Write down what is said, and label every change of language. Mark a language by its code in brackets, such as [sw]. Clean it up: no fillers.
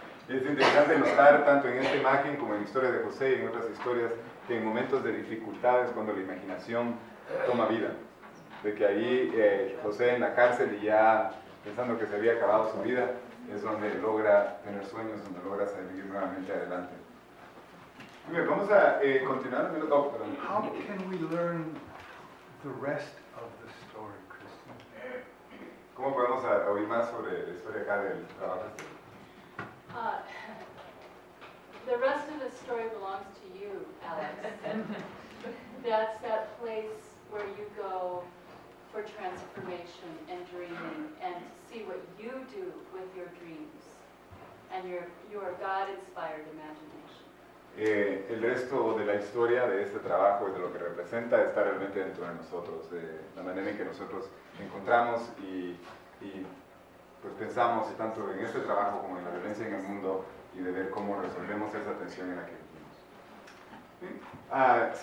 [es] Es interesante notar tanto en esta imagen como en la historia de José y en otras historias que en momentos de dificultades cuando la imaginación toma vida, de que ahí José en la cárcel y ya pensando que se había acabado su vida, es donde logra tener sueños, donde logra salir nuevamente adelante. Muy bien, vamos a continuar. [en] How can we learn the rest of the story, Christian? [es] ¿Cómo podemos oír más sobre la historia acá del trabajo? [en] The rest of the story belongs to you, Alex. That's that place where you go for transformation and dreaming and to see what you do with your dreams and your God-inspired imagination. [es] El resto de la historia, de este trabajo y de lo que representa está realmente dentro de nosotros, de la manera en que nosotros encontramos y pues pensamos tanto en este trabajo como en la violencia en el mundo y de ver cómo resolvemos esa tensión en la que vivimos.